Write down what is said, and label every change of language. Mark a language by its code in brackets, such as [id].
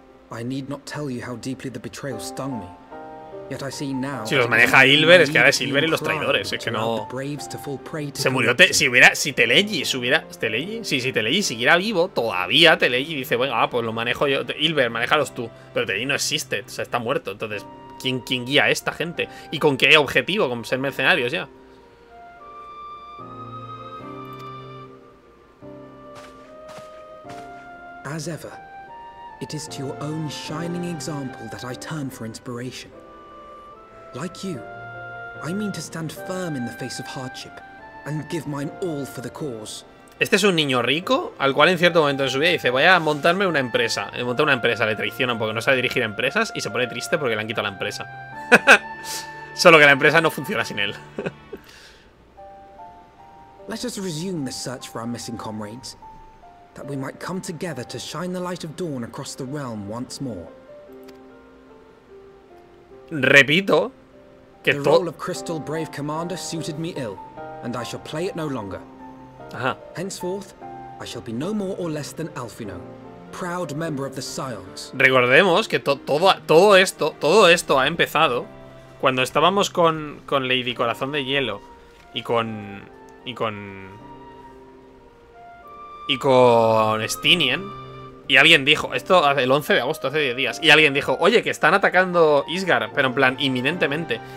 [en] I need not tell you how deeply the betrayal stung me. Yet I see now. [es] Si los maneja Illbert, es que ahora es Illbert y los traidores, es que no. Se murió Teleji siguiera vivo, todavía Teleji dice, "Venga, pues lo manejo yo, Illbert, manéjalos tú." Pero Teleji no existe, o sea, está muerto. Entonces, ¿quién guía a esta gente? ¿Y con qué objetivo? ¿Con ser mercenarios ya? [en] As ever. It is to your own shining example that I turn for inspiration. Like you, I mean to stand firm in the face of hardship and give mine all for the cause. [es] Este es un niño rico al cual en cierto momento de su vida dice, voy a montarme una empresa. Le monta una empresa, le traicionan porque no sabe dirigir empresas y se pone triste porque le han quitado la empresa. Solo que la empresa no funciona sin él. [en] Let us resume the search for our missing comrades, that we might come together to shine the light of dawn across the realm once more. [es] Repito, que [en] the role of Crystal Brave Commander suited me ill, and I shall play it no longer. Aha. Henceforth, I shall be no more or less than Alfino, proud member of the Scions. [es] Recordemos que todo esto ha empezado cuando estábamos con Lady Corazón de Hielo y con Stinian. Y alguien dijo, esto hace el 11 de agosto, hace 10 días, y alguien dijo, oye, que están atacando Isgar, pero en plan, inminentemente.